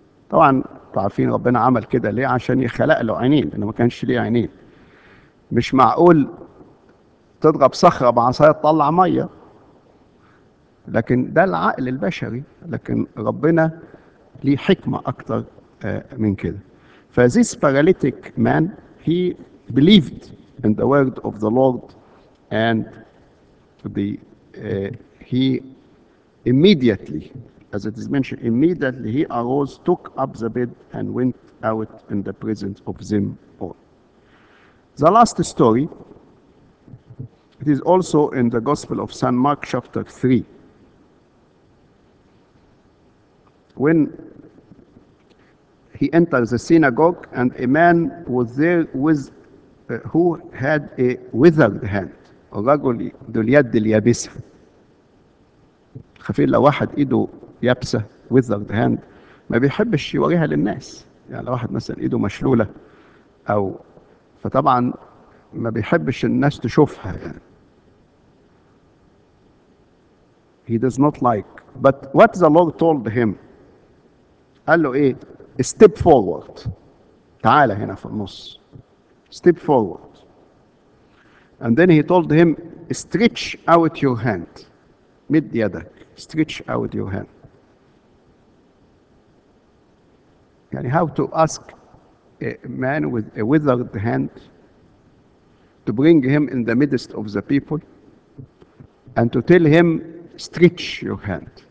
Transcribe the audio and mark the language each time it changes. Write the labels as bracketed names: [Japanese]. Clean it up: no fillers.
[Arabic] طبعا عارفين ربنا عمل كده ليه؟ عشان يخلق له عينين، لانه ما كانش ليه عينين. مش معقول تضرب صخرة بعصاية تطلع مية، لكن ده العقل البشري، لكن ربنا ليه حكمة أكتر من كده. [English] ف this paralytic man he believed in the word of the Lord and the he immediately, as it is mentioned, immediately he arose, took up the bed and went out in the presence of them all. The last story, it is also in the Gospel of St. Mark chapter 3. When he entered the synagogue and a man was there with who had a withered hand. [Arabic] الرجل ذو اليد اليابسة. خفيف لو واحد ايده يابسة [English] withered hand [Arabic] ما بيحبش يوريها للناس. يعني لو واحد مثلا ايده مشلولة او فطبعا ما بيحبش الناس تشوفها يعني. [English] He does not like. But what the Lord told him? [Arabic] قال له ايه؟ [English] Step forward. [Arabic] تعال هنا في النص. [English] Step forward. And then he told him, stretch out your hand. [Arabic] مد يدك. [English] Stretch out your hand. يعني how to ask a man with a withered hand to bring him in the midst of the people and to tell him, stretch your hand.